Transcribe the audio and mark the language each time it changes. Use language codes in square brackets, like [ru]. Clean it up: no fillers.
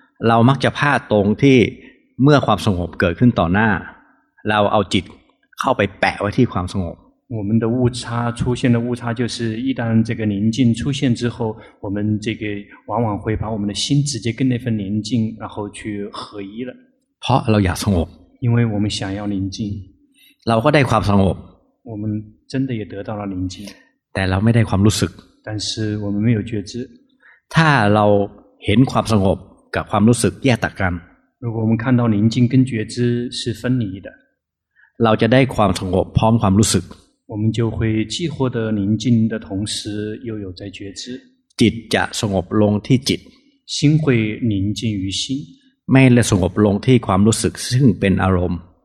[th] เรามักจะพลาดตรงที่เมื่อความสงบเกิดขึ้นต่อหน้าเราเอาจิตเข้าไปแปะไว้ที่ความสงบ [zh] 我们的误差出现的误差就是一旦这个宁静出现之后我们这个往往会把我们的心直接跟那份宁静然后去合一了 [th] เพราะเราอยากสงบ [zh] 因为我们想要宁静 [th] เราก็ได้ความสงบ [zh] 我们真的也得到了宁静 [th] แต่เราไม่ได้ความรู้สึก [zh] 但是我们没有觉知 [th] ถ้าเราเห็นความสงบกับความรู้สึกแยกต่างกัน [zh] 如果我们看到宁静跟觉知是分离的 [th] เราจะได้ความสงบพร้อมความรู้สึก [zh] 我们就会既获得宁静的同时又有在觉知 [th] จิตจะสงบลงที่จิต [zh] 心会宁静于心 [th] ไม่ได้สงบลงที่ความรู้สึกซึ่งเป็นอารมณ์